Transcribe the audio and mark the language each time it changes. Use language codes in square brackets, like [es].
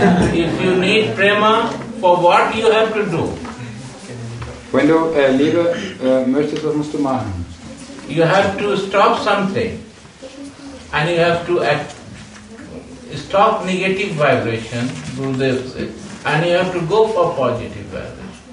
[en] If you need prema, for what you have to do? [de] Wenn du Liebe möchtest, was musst du machen? [en] You have to stop something. And you have to stop negative vibration, Gurudev said. And you have to go for positive vibration.